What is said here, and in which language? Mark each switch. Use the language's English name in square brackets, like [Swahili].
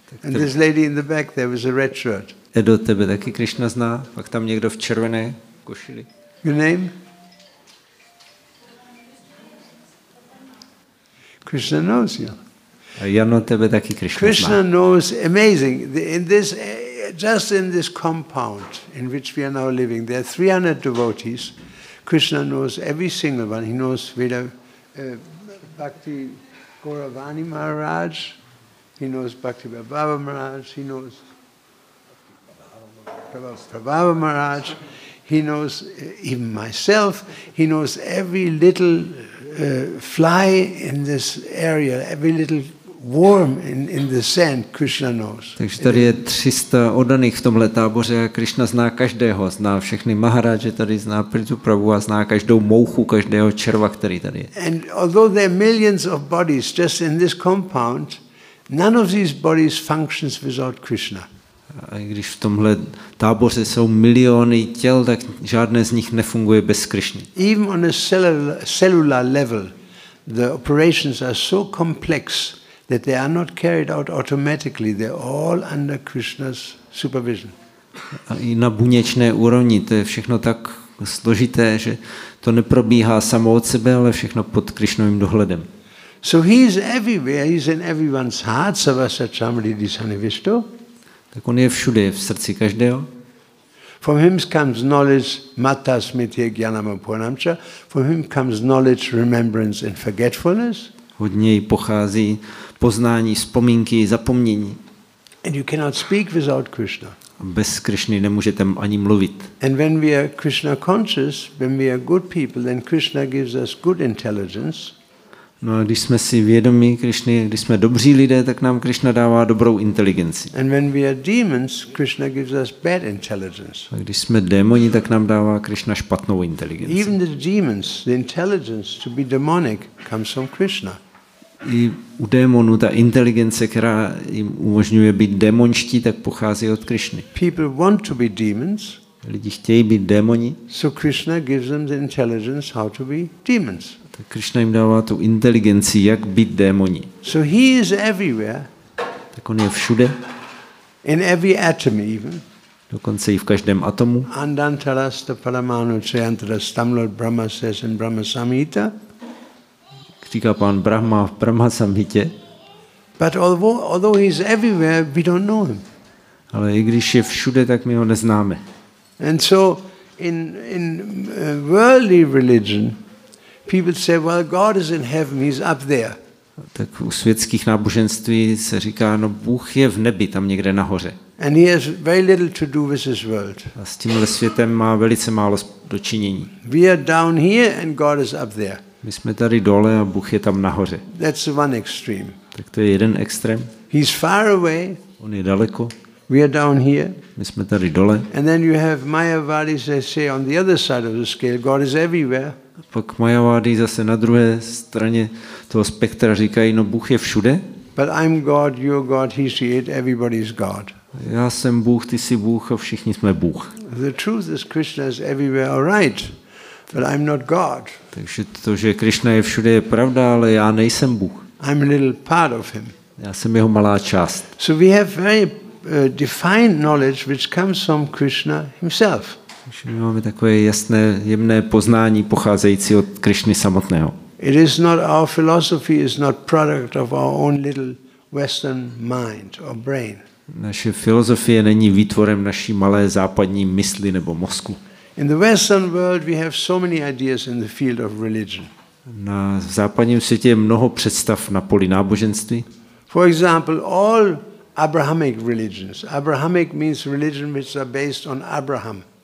[English] And this lady in the back, there was a red shirt. [Czech] Edo, tebe taky Krishna zná? Pak tam někdo v červené košili. [English] Your name? Krishna knows you. [Czech] A Jano, tebe taky Krishna zná. [English] Krishna knows, amazing. In this, just in this compound in which we are now living, there are 300 devotees. Krishna knows every single one. He knows Veda, Bhakti, Gauravani Maharaj, he knows Bhakti Prabhava Maharaj, he knows Prabhava Maharaj, he knows even myself, he knows every little fly in this area, every little worm in the sand, Krishna knows. [Czech] Takže tady je 300 odaných v tomhle táboře a Krishna zná každého, zná všechny Maharaje tady, zná Prabhu a zná každou mouchu, každého červa, který tady je. [English] And although there are millions of bodies just in this compound, none of these bodies functions without Krishna. [Czech] A i když v tomhle táboře jsou miliony těl, tak žádné z nich nefunguje bez Krishny. [English] Even on a cellular level, the operations are so complex that they are not carried out automatically, they're all under Krishna's supervision. [Czech] A i na buněčné úrovni, to je všechno tak jako složité, že to neprobíhá samo od sebe, ale všechno pod Krišnovým dohledem. [English] So he is everywhere, he's in everyone's heart, [Sanskrit] Savasachamrita Sannivishto. [Czech] Tak on je všude, je v srdci každého. [English] From him comes knowledge, [Sanskrit] matta smithya jnanam apurnamcha. [English] From him comes knowledge, remembrance and forgetfulness. [Czech] Od něj pochází poznání, vzpomínky, zapomnění. [English] And you cannot speak without Krishna. [Czech] Bez Krišny nemůžete ani mluvit. [English] And when we are Krishna conscious, when we are good people, then Krishna gives us good intelligence. [Czech] No a když jsme si vědomí Krišny, když jsme dobří lidé, tak nám Krišna dává dobrou inteligenci. [English] And when we are demons, Krishna gives us bad intelligence. [Czech] A když jsme démoni, tak nám dává Krišna špatnou inteligenci. [English] Even the demons, the intelligence to be demonic comes from Krishna. [Czech] I u démonů ta inteligence, která jim umožňuje být démonští, tak pochází od Krišny. [English] People want to be demons. [Czech] Lidi chtějí být démoni. [English] So Krishna gives them the intelligence how to be demons. [Czech] Tak Krišna jim dává tu inteligenci, jak být démoni. [English] So he is everywhere. [Czech] Tak on je všude. [English] In every atom even. [Czech] Dokonce i v každém atomu. [Sanskrit] Andantarasta paramanu chayantarastam [English] Lord Brahma says in Brahma Samhita. [Czech] Říká pán Brahma v Brahma Samhitě. [English] But although he's everywhere, we don't know him. [Czech] Ale i když je všude, tak my ho neznáme. [English] And so in worldly religion, people say, well, God is in heaven, he's up there. [Czech] Tak u světských náboženství se říká, no Bůh je v nebi, tam někde nahoře. [English] And he has very little to do with this world. [Czech] A s tímhle světem má velice málo dočinění. [English] We are down here and God is up there. [Czech] My jsme tady dole a Bůh je tam nahoře. [English] That's one extreme. [Czech] Tak to je jeden extrém. [English] He's far away. [Czech] On je daleko. [English] We are down here. [Czech] My jsme tady dole. [English] And then you have Mayavadis, they say on the other side of the scale, God is everywhere. [Czech] Pak Mayavadi zase na druhé straně toho spektra říkají, no Bůh je všude. [English] But I'm God, you're God, he's it, everybody's God. [Czech] Já jsem Bůh, ty jsi Bůh a všichni jsme Bůh. [English] The truth is Krishna is everywhere, all right. But I'm not God. [Czech] Takže to, že Krišna je všude, je pravda, ale já nejsem Bůh. [English] I'm a little part of him. [Czech] Já jsem jeho malá část. [English] So we have very defined knowledge which comes from Krishna himself. [Czech] Takže my máme takové jasné, jemné poznání pocházející od Krišny samotného. [English] It is not our philosophy is not product of our own little western mind or brain. [Czech] Naše filozofie není výtvorem naší malé západní mysli nebo mozku. [English] In the Western world, we have so many ideas in the field of religion. [Czech] Na západním světě je mnoho představ na poli náboženství. [English] For example, all Abrahamic religions. Abrahamic means religion which are based on Abraham.